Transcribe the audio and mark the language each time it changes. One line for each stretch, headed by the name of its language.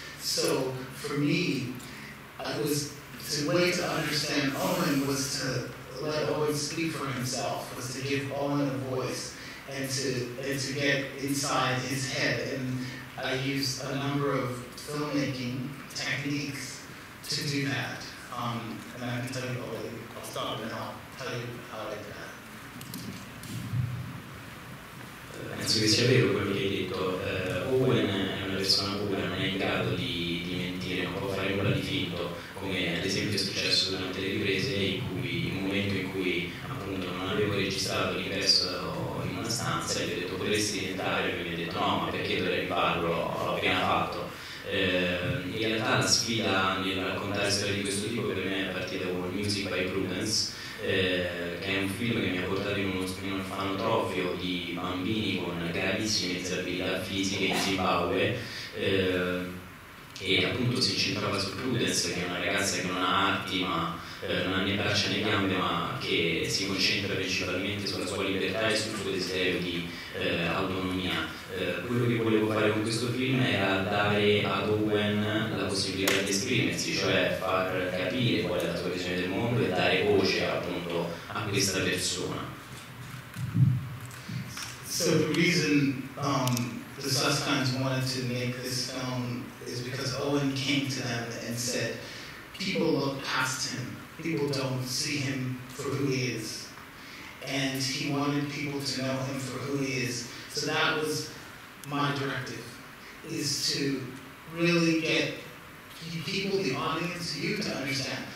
English: So for me, the way to understand Owen was to let Owen speak for himself, was to give Owen a voice and to get inside his head. And I used a number of filmmaking techniques to do that. And I can tell you all, I'll stop and I'll tell you how I did that.
Italian: Penso che sia vero quello che hai detto. Owen è una persona pura, non è in grado di mentire, non può fare nulla di finto, come ad esempio è successo durante le riprese, in un momento in cui appunto non avevo registrato l'ingresso in una stanza, gli ho detto potresti entrare, e mi ha detto no, ma perché dovrei farlo, l'ho appena fatto. In realtà la sfida nel raccontare storie di questo tipo per me è partita con Music by Prudence, che è un film che mi ha portato in un orfanotrofio di bambini con gravissime disabilità fisiche in Zimbabwe, e appunto si incentrava su Prudence, che è una ragazza che non ha arti, ma non ha né braccia né gambe, ma che si concentra principalmente sulla sua libertà e sul suo desiderio di autonomia. Quello che volevo fare con questo film era dare ad Owen la possibilità di esprimersi, cioè far capire qual è la sua visione del mondo e dare voce appunto a questa persona.
English: So the reason the Susskinds wanted to make this film is because Owen came to them and said, people look past him, people don't see him for who he is. And he wanted people to know him for who he is. So that was my directive, is to really get people, the audience, you to understand.